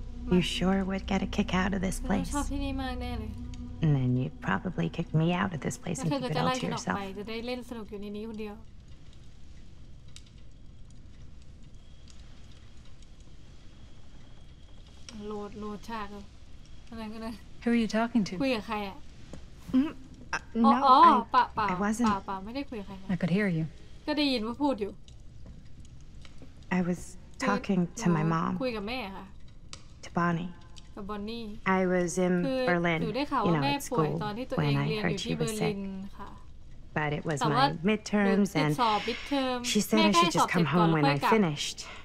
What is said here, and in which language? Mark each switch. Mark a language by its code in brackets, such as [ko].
[en] You sure would get a kick out of this place. [th] ชอบที่นี่มากแน่เลย [en] And then you'd probably kick me out of this place and keep it all to yourself. [th] จะได้เล่นสนุกอยู่ในนี้คนเดียวโหลดฉากอะไร [en] Who are you talking to? [th] คุยกับใครอะ [en] No, I wasn't. [th] ไม่ได้คุยกับใครนะ [en] I could hear you. [th] ก็ได้ยินว่าพูดอยู่ [en] I was talking to my mom. [th] คุยกับแม่ค่ะ [en] To Bonnie. [th] กับ Bonnie. [en] I was in Berlin. [th] หนูได้ข่าวว่าแม่ป่วยตอนที่ตัวเองเรียนอยู่ที่เบอร์ลินค่ะ [en] But it was my midterms and mid-term. She said I should just come home when I finished.